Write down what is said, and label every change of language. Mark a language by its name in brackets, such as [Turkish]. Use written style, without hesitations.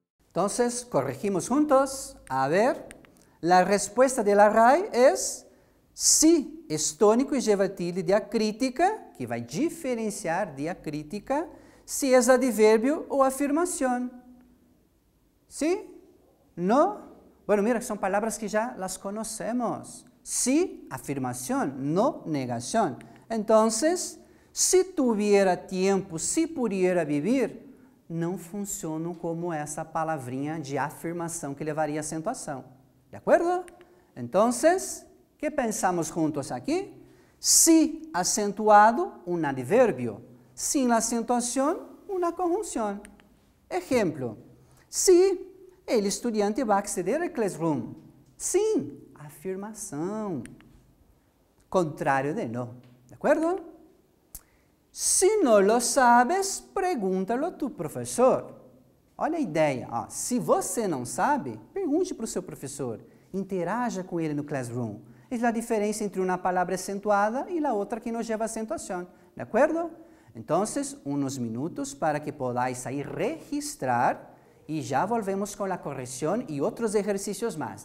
[Spanish] Entonces, corregimos juntos, a ver, la respuesta de la RAE es sí, estónico y lleva tilde diacrítica, que va a diferenciar diacrítica, si es adverbio o afirmación. ¿Sí? ¿No? Bueno, mira, son palabras que ya las conocemos. Sí, afirmación, no, negación. Entonces, si tuviera tiempo, si pudiera vivir, [Portuguese] não funcionam como essa palavrinha de afirmação que levaria a acentuação. De acordo? Então, o que pensamos juntos aqui? Se acentuado, um advérbio. Sem acentuação, uma conjunção. Exemplo. Sim, ele estudante vai acceder ao classroom. Sim, afirmação. Contrário de não. De acordo? [Spanish] Si no lo sabes, pregúntalo a tu profesor. [Portuguese] Olha a ideia. Ó. Se você não sabe, pergunte para o seu professor. Interaja com ele no classroom. É a diferença entre uma palavra acentuada e a outra que nos leva a acentuação. De acordo? Então, uns minutos para que podáis aí registrar e já volvemos com a correção e outros exercícios mais.